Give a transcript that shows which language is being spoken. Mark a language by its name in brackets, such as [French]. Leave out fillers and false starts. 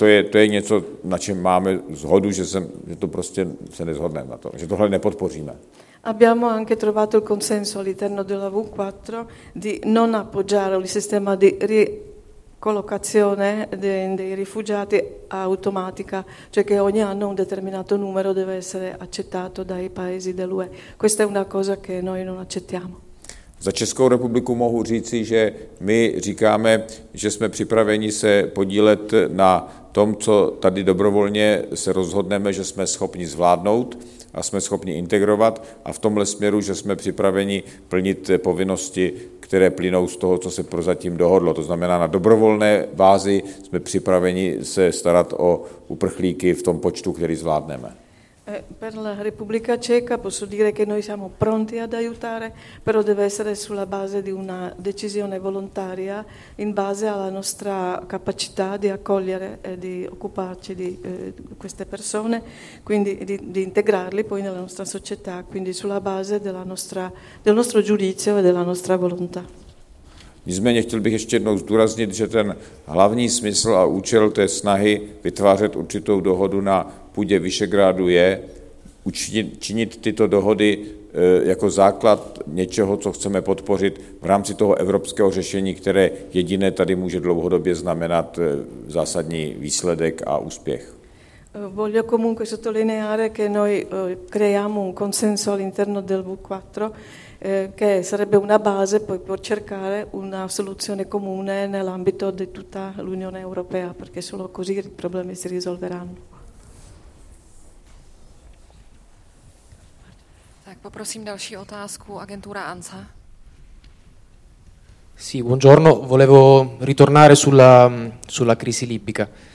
[Czech] To je něco, na čem máme shodu, že to prostě se nezhodneme na tom, že tohle nepodpoříme. [Italian] Abbiamo anche trovato il consenso all'interno della V4 di non appoggiare il sistema di ricollocazione dei rifugiati automatica, cioè che ogni anno un determinato numero deve essere accettato dai paesi dell'UE. Questa è una cosa che noi non accettiamo. [Czech] Za Českou republiku mohu říci, že my říkáme, že jsme připraveni se podílet na tom, co tady dobrovolně se rozhodneme, že jsme schopni zvládnout a jsme schopni integrovat a v tomhle směru, že jsme připraveni plnit povinnosti, které plynou z toho, co se prozatím dohodlo. To znamená, na dobrovolné bázi jsme připraveni se starat o uprchlíky v tom počtu, který zvládneme. [Italian] Per la Repubblica Ceca posso dire che noi siamo pronti ad aiutare, però deve essere sulla base di una decisione volontaria in base alla nostra capacità di accogliere e di occuparci di queste persone, quindi di integrarli poi nella nostra società, quindi sulla base del nostro giudizio e della nostra volontà. [Czech] Nicméně chtěl bych ještě jednou zdůraznit, že ten hlavní smysl a účel té snahy vytvářet určitou dohodu na půdě Vyšegrádu je učinit tyto dohody jako základ něčeho, co chceme podpořit v rámci toho evropského řešení, které jediné tady může dlouhodobě znamenat zásadní výsledek a úspěch. [Italian] Voglio comunque sottolineare che noi creiamo un consenso all'interno del V4 che sarebbe una base poi per cercare una soluzione comune nell'ambito di tutta l'Unione Europea, perché solo così i problemi si risolveranno. [Czech] Tak poprosím další otázku, agentura ANSA. [Italian] Sì, buongiorno, volevo ritornare sulla crisi libica.